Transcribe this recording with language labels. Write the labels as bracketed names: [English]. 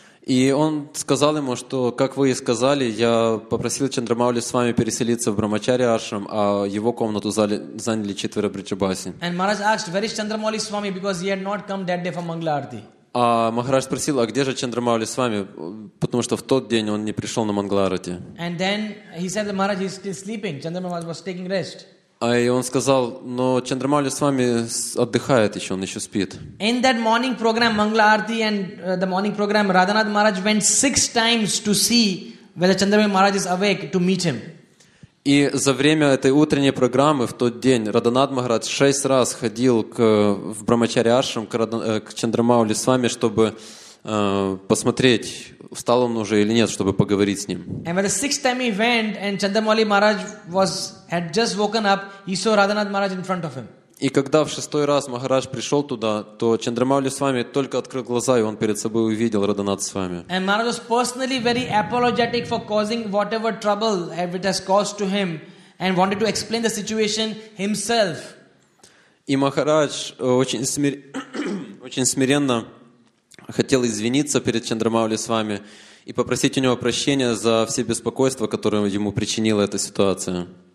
[Russian] И он сказал ему, что, как вы и сказали, я попросил Чандрамаули с вами переселиться в Брахмачари Ашрам, а его комнату заняли четверо Бриджабаси. [English] And Maharaj asked, where is Chandramouli Swami? Because he had not come that day from Mangala Arati. [Russian] А Махарадж спросил, а где же Чандрамаули с вами? Потому что в тот день он не пришел на Мангала Арати. [English] And then he said that Maharaj is still sleeping. Chandramaul was taking rest. [Russian] А и он сказал, но Чандрамаули с вами отдыхает еще, он еще спит. [English] In that morning program, Mangala Arati and the morning program, Radhanath Maharaj went 6 times to see whether Chandramaul Maharaj is awake to meet him. [Russian] И за время этой утренней программы в тот день Радханат Махарадж 6 раз ходил в Брахмачари Ашрам к Чандрамаули с вами, чтобы посмотреть, встал он уже или нет, чтобы поговорить с ним. [English] And when the 6th time he went, and Chandramouli Maharaj had just woken up, he saw Radhanath Maharaj in front of him. [Russian] И когда в 6-й раз Махарадж пришел туда, то Чандрамаули с вами только открыл глаза, и он перед собой увидел Радханат с вами. [English] And Maharaj was personally very apologetic for causing whatever trouble it has caused to him, and wanted to explain the situation himself. [Russian] И Махарадж очень смиренно хотел извиниться перед Чандрамаули с вами и попросить у него прощения за все беспокойства, которые ему причинила эта ситуация.